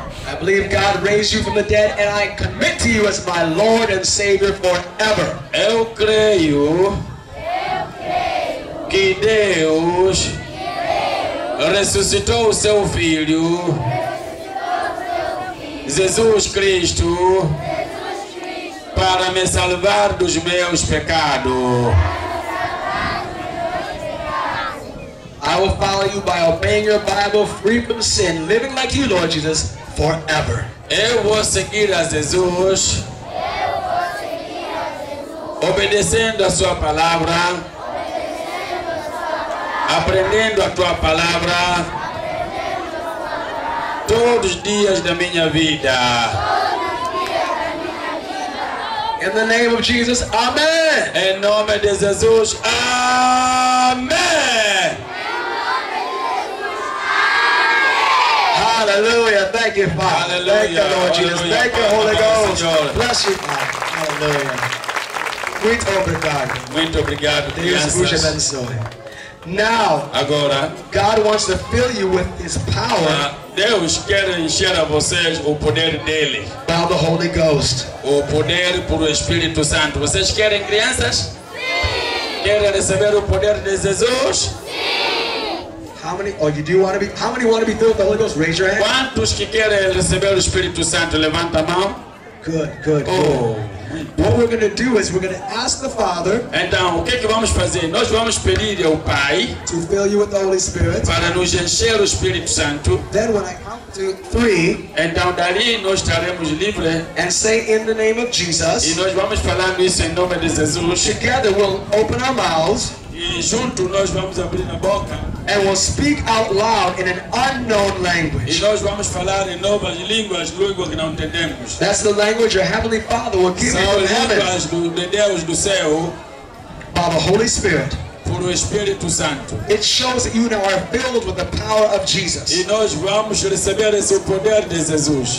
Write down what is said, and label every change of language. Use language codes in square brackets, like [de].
[en] I believe God raised you from the dead and I commit to you as my Lord and Savior forever. [pt] Eu creio que Deus ressuscitou o seu filho, Jesus Cristo, para me salvar dos meus pecados. [en] I will follow you by obeying your Bible, free from sin, living like you, Lord Jesus, forever. [pt] Eu vou seguir a Jesus, obedecendo a sua palavra, aprendendo a tua palavra, todos os dias da minha vida. [en] In the name of Jesus, amen. [pt] Em nome de Jesus, amen. [en] Hallelujah. Thank you, Father. Hallelujah. Thank you, Lord Jesus. Hallelujah. Thank you, Holy Ghost. Senhor. Bless you, Father. Hallelujah. [pt] Muito obrigado. Muito obrigado. Deus vos abençoe. Now, agora, [en] God wants to fill you with His power. [pt] Deus quer encher a vocês o poder dele. [en] By the Holy Ghost. [pt] O poder por o Espírito Santo. Vocês querem, crianças? Sim. Querem receber o poder de Jesus? Sim. [en] How many want to be filled with the Holy Ghost? Raise your hand. [pt] Quantos que querem receber o Espírito Santo? Levanta a mão. [en] Good, good, oh. What we're going to do is we're going to ask the Father. [pt] Então, o que que vamos fazer? Nós vamos pedir ao Pai [en] to fill you with the Holy Spirit. [pt] Para nos encher o Espírito Santo. [en] Then when I count to three, [pt] então dali nós estaremos livres. [en] And say in the name of Jesus. [pt] E nós vamos falando isso em nome de Jesus. [en] Together we'll open our mouths. [pt] E junto nós vamos abrir a boca. [en] And we'll speak out loud in an unknown language. [pt] E nós vamos falar em novas línguas, língua que não entendemos. [en] That's the language your Heavenly Father will give from heaven. [pt] São línguas de Deus do céu. [en] By the Holy Spirit. [pt] Por o Espírito Santo. [en] It shows that you now are filled with the power of Jesus. [pt] E nós vamos receber esse poder de Jesus.